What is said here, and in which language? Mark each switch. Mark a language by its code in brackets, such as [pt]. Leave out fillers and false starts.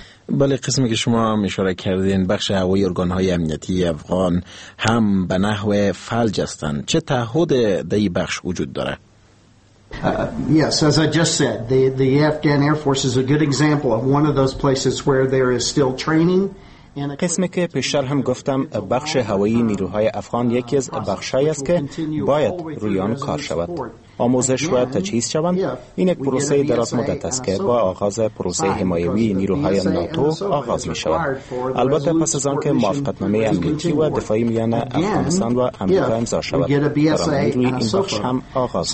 [fa] بله، قسمی که شما هم اشاره کردین، بخش هوایی ارگانهای امنیتی افغان هم به نحو فلج هستند. چه تعهد در این بخش وجود دارد؟ [en] As I just said, the Afghan Air Force is a good example of one of those places where there is still training. [fa] قسمی که پیشتر هم گفتم، بخش هوایی نیروهای افغان یکی از بخش‌هایی است که باید روی آن کار شود. آموزش و تجهیز شوند، این یک پروسه دراز مدت است که با آغاز پروسه حمایوی نیروهای ناتو آغاز می شود. البته پس از آنکه موافقتنامه امنیتی و دفاعی میان افغانستان و امریکا امضا شود، برنامه روی این بخش هم آغاز